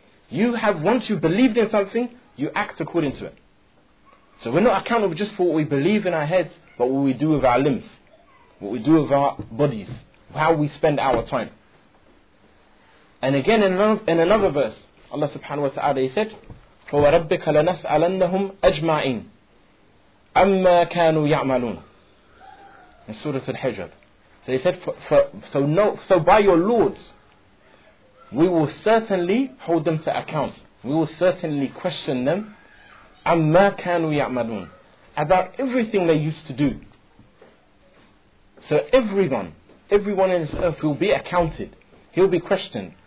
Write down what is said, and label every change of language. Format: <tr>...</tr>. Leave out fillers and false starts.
<en>You have, once you believed in something, you act according to it. So we're not accountable just for what we believe in our heads, but what we do with our limbs, what we do with our bodies, how we spend our time. And again, in another verse, Allah subhanahu wa ta'ala, He said,</en> <ar>فوربك لنسألنهم أجمعين أما كانوا يعملون.</ar> <en>In Surah Al-Hijr. So he said, so by your Lords, we will certainly hold them to account. We will certainly question them.</en> <ar>Amma kanu ya'malun.</ar> <en>About everything they used to do. So everyone in this earth will be accounted. He'll be questioned.</en>